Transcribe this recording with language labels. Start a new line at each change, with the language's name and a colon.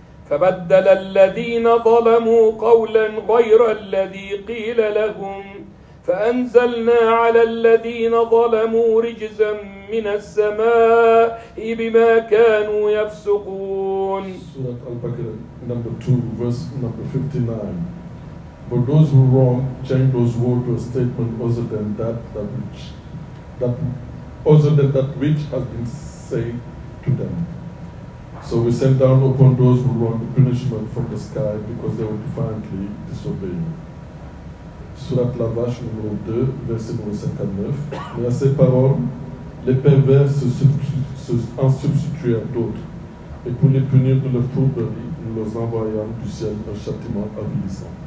Arabic: فَبَدَّلَ الَّذِينَ ظَلَمُوا قَوْلًا غَيْرَ الَّذِي قِيلَ لَهُمْ فأنزلنا على الذين ظلموا رجزا من السماء بما كانوا يفسقون.
English: Surah Al-Baqarah number 2, verse number 59. But those who wrong change those words to a statement other than that which has been said to them. So we sent down upon those who wrong the punishment from the sky because they were defiantly disobeying.
French: Surat La Vache, numéro 2, verset numéro 59. Mais à ces paroles, les pervers se substituèrent à d'autres, et pour les punir de leur fourberie, nous leur envoyâmes du ciel un châtiment avilissant.